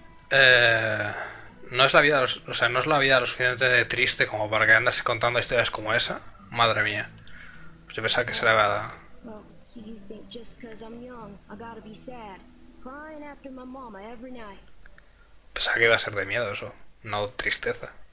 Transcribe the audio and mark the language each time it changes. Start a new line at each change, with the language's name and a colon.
Spanish: No es la vida, o sea, no es la vida lo suficientemente triste como para que andase contando historias como esa. Madre mía. Yo pensaba que se le había dado.
English: Well, so you think just because I'm young, I gotta be sad, crying after my mama every night.
Spanish: Pensaba que iba a ser de miedo eso, no tristeza.